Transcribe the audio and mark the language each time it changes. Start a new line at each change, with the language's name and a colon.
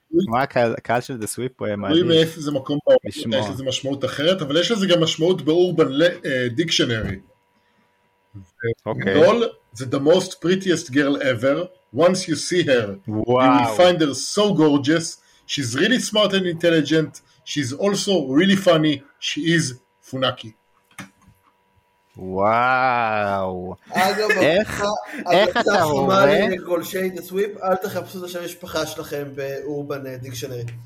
Hebrew: מה הקהל של The Sweep פה? רואים מאיפה זה מקום באורבן, יש לזה משמעות אחרת, אבל יש לזה גם משמעות באורבן דיקשנרי. גדול, זה
English: the most prettiest girl ever, once you see her, you will find her so gorgeous, she's really smart and intelligent, she's also really funny, she is פונאקי.
Hebrew: וואו, איך אתה רואה? אגב, הצעה חומה לגולשי דה סוויפ, אל תחפשו את השם המשפחה שלכם באורבן דיקשנרי.